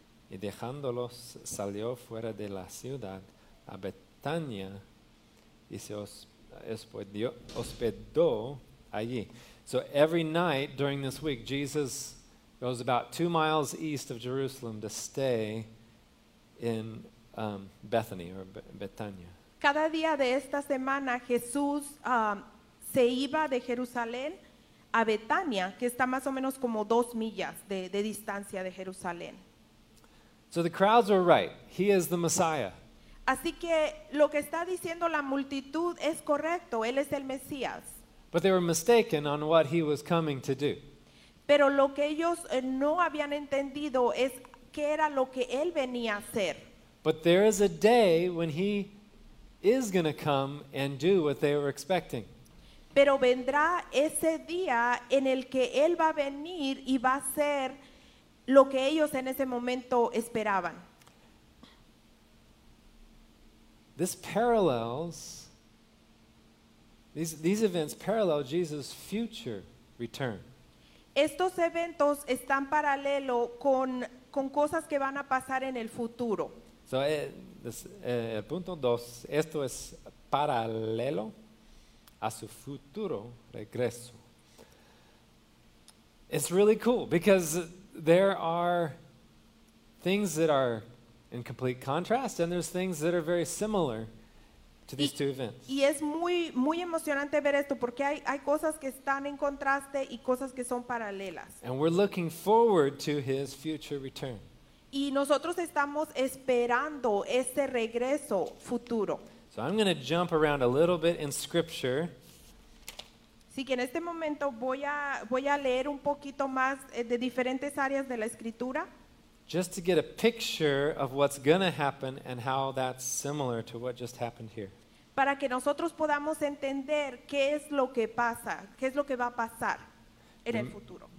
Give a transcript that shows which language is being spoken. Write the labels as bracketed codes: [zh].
[es] Y dejándolos salió fuera de la ciudad a Betania y se hospedó allí. [en] So every night during this week, Jesus goes about 2 miles east of Jerusalem to stay in Bethany or Betania. [es] Cada día de esta semana, Jesús se iba de Jerusalén a Betania, que está más o menos como 2 millas de distancia de Jerusalén. [en] So the crowds were right. He is the Messiah. [es] Así que lo que está diciendo la multitud es correcto. Él es el Mesías. [en] But they were mistaken on what he was coming to do. [es] Pero lo que ellos no habían entendido es qué era lo que él venía a hacer. [en] But there is a day when he is going to come and do what they were expecting. [es] Pero vendrá ese día en el que él va a venir y va a hacer lo que ellos en ese momento esperaban. [en] This parallels, these events parallel Jesus' future return. [es] Estos eventos están paralelo con cosas que van a pasar en el futuro. So, el punto dos, esto es paralelo a su futuro regreso. [en] It's really cool because there are things that are in complete contrast, and there's things that are very similar to these two events. [es] Y es muy muy emocionante ver esto porque hay cosas que están en contraste y cosas que son paralelas. [en] And we're looking forward to his future return. [es] Y nosotros estamos esperando ese regreso futuro. [en] So I'm going to jump around a little bit in scripture. [es] Así que en este momento voy a leer un poquito más de diferentes áreas de la escritura. [en] Just to get a picture of what's going to happen and how that's similar to what just happened here. [es] Para que nosotros podamos entender qué es lo que pasa, qué es lo que va a pasar en el futuro.